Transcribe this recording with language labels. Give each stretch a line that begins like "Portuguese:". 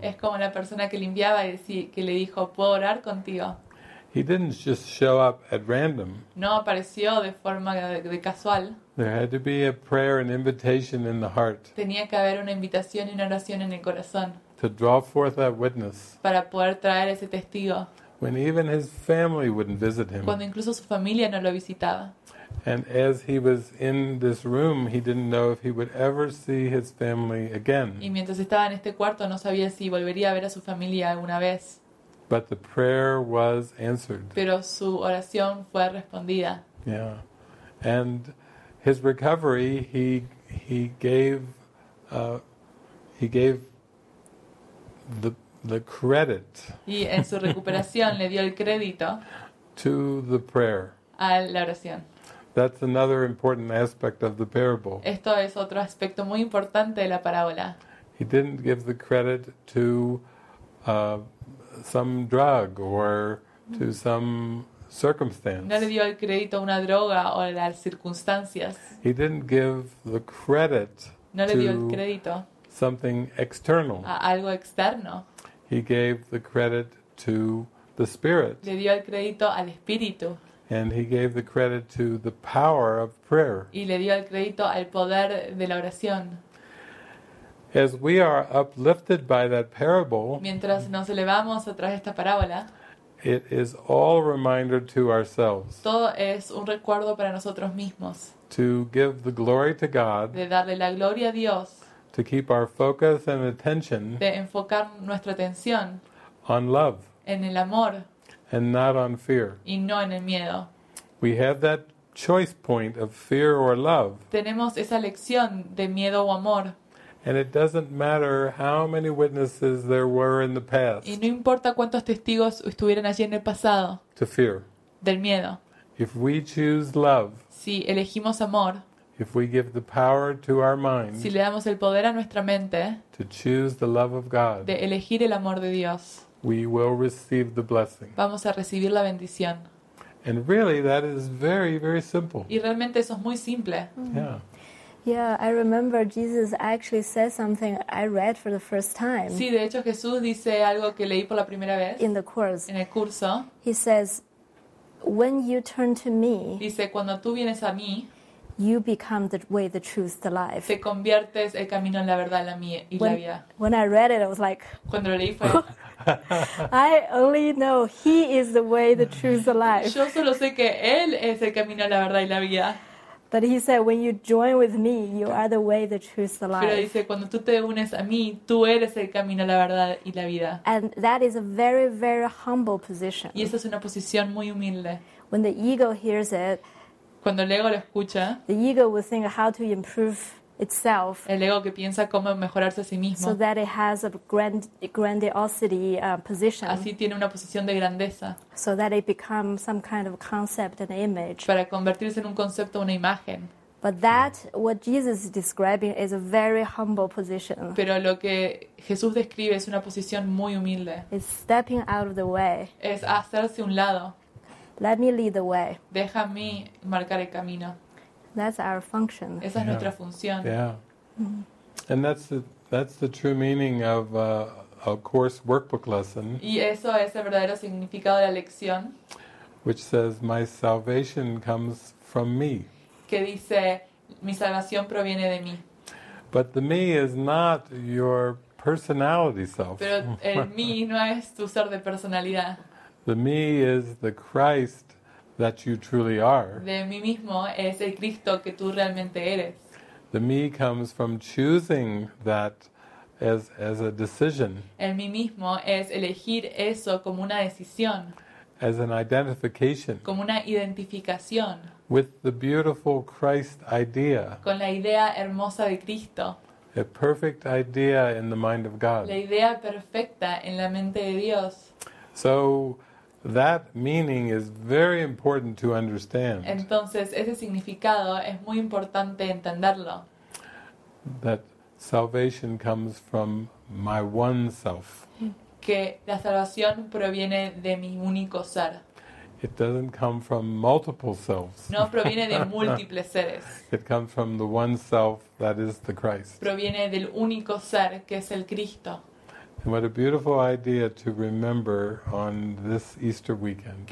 Spanish: Es como la persona que limpiaba y que le dijo, "¿Puedo orar contigo?"
English: He didn't just show up at random.
Spanish: No apareció de forma de casual.
English: There had to be a prayer and invitation in the heart.
Spanish: Tenía que haber una invitación y una oración en el corazón.
English: To draw forth that witness.
Spanish: Para poder traer ese testigo.
English: When even his family wouldn't visit him.
Spanish: Cuando incluso su familia no lo visitaba.
English: And as he was in this room, he didn't know if he would ever see his family again.
Spanish: Y mientras estaba en este cuarto, no sabía si volvería a ver a su familia alguna vez.
English: But the prayer was answered.
Spanish: Pero su oración fue respondida.
English: Yeah. And his recovery, he gave the credit.
Spanish: Y en su recuperación le dio el crédito.
English: To the prayer.
Spanish: A la oración.
English: That's another important aspect of the parable.
Spanish: Esto es otro aspecto muy importante de la parábola.
English: He didn't give the credit to some drug or to some circumstance.
Spanish: No le dio el crédito a una droga o a las circunstancias.
English: He didn't give the credit
Spanish: no le dio el crédito
English: to something external.
Spanish: A algo externo.
English: He gave the credit to the Spirit.
Spanish: Le dio el crédito al Espíritu.
English: And he gave the credit to the power of prayer.
Spanish: Y le dio el crédito al poder de la oración.
English: As we are uplifted by that parable,
Spanish: mientras nos elevamos a través de esta parábola,
English: It is all a reminder to ourselves.
Spanish: Todo es un recuerdo para nosotros mismos.
English: To give the glory to God.
Spanish: De darle la gloria a Dios.
English: To keep our focus and attention.
Spanish: De enfocar nuestra atención.
English: On love.
Spanish: En el amor.
English: And not on fear.
Spanish: Y no en el miedo.
English: We have that choice point of fear or love.
Spanish: Tenemos esa elección de miedo o amor.
English: And it doesn't matter how many witnesses there were in the past.
Spanish: Y no importa cuántos testigos estuvieran allí en el pasado.
English: To fear.
Spanish: Del miedo.
English: If we choose love.
Spanish: Si elegimos amor.
English: If we give the power to our mind.
Spanish: Si le damos el poder a nuestra mente.
English: To choose the love of God.
Spanish: De elegir el amor de Dios.
English: We will receive the blessing.
Spanish: Vamos a recibir la bendición.
English: And really, that is very, very simple.
Spanish: Y realmente eso es muy simple.
English: Yeah. Yeah, I remember Jesus actually said something I read for the first time.
Spanish: Sí, de hecho Jesús dice algo que leí por la primera vez.
English: In the course.
Spanish: En el curso.
English: He says, "When you turn to me."
Spanish: Dice cuando tú vienes a mí.
English: You become the way, the truth, the life.
Spanish: Te conviertes el camino en la verdad, la mía y
English: when,
Spanish: la vida.
English: When I read it, I was like.
Spanish: Cuando leí fue.
English: I only know He is the way, the truth, the life.
Spanish: Yo solo sé que Él es el camino, la verdad y la vida.
English: But He said, when you join with Me, you are the way, the truth, the life.
Spanish: Pero dice, cuando tú te unes a mí, tú eres el camino, la verdad y la vida.
English: And that is a very, very humble position.
Spanish: Y esa es una posición muy humilde.
English: When the ego hears it,
Spanish: cuando el ego lo escucha,
English: the ego will think how to improve itself.
Spanish: El ego que piensa cómo mejorarse a sí mismo.
English: So that it has a grandiosity position.
Spanish: Así tiene una posición de grandeza.
English: So that it becomes some kind of concept and image.
Spanish: Para convertirse en un concepto, una imagen.
English: But that what Jesus is describing is a very humble position.
Spanish: Pero lo que Jesús describe es una posición muy humilde.
English: It's stepping out of the way.
Spanish: Es hacerse un lado.
English: Let me lead the way.
Spanish: Déjame marcar el camino.
English: That's our function.
Spanish: Esa es
English: yeah.
Spanish: nuestra función.
English: Yeah. Mm-hmm. And that's the true meaning of a course workbook lesson.
Spanish: Y eso es el verdadero significado de la lección.
English: Which says my salvation comes from me.
Spanish: Que dice mi salvación proviene de mí.
English: But the me is not your personality self.
Spanish: Pero el mí no es tu ser de personalidad.
English: The me is the Christ that you truly are.
Spanish: De mí mismo es el Cristo que tú realmente eres.
English: The me comes from choosing that as a decision.
Spanish: El mí mismo es elegir eso como una decisión.
English: As an identification.
Spanish: Como una identificación.
English: With the beautiful Christ idea.
Spanish: Con la idea hermosa de Cristo.
English: A perfect idea in the mind of God.
Spanish: La idea perfecta en la mente de Dios.
English: So that meaning is very important to understand.
Spanish: Entonces, ese significado es muy importante entenderlo.
English: That salvation comes from my one self.
Spanish: Que la salvación proviene de mi único ser.
English: It doesn't come from multiple selves.
Spanish: No proviene de múltiples seres.
English: It comes from the one self that is the Christ.
Spanish: Proviene del único ser que es el Cristo.
English: What a beautiful idea to remember on this Easter weekend.